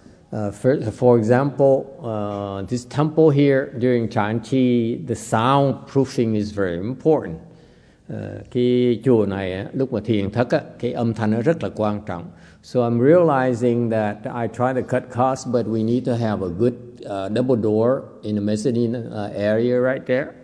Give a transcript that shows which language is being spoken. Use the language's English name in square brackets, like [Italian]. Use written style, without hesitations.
[English] For example, this temple here during Chan Chi, the soundproofing is very important. [Vietnamese] Cái chùa này lúc mà thiền thất cái âm thanh nó rất là quan trọng. [English] So I'm realizing that I try to cut costs, but we need to have a good double door in the mezzanine area right there.